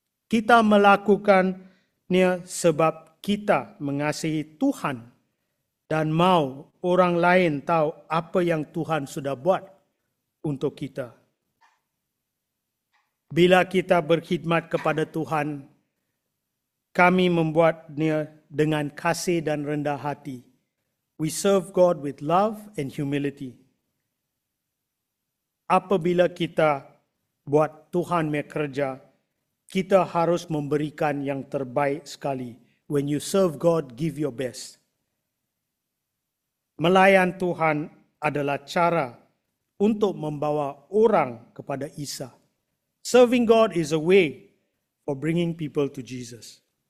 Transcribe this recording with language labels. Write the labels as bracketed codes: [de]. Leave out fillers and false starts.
[ms] Kita melakukannya sebab kita mengasihi Tuhan dan mau orang lain tahu apa yang Tuhan sudah buat untuk kita. Bila kita berkhidmat kepada Tuhan, kami membuatnya dengan kasih dan rendah hati. [en] We serve God with love and humility. [ms] Apabila kita buat Tuhan bekerja, kita harus memberikan yang terbaik sekali. [en] When you serve God, give your best. [ms] Melayan Tuhan adalah cara untuk membawa orang kepada Isa. [en] Serving God is a way for bringing people to Jesus.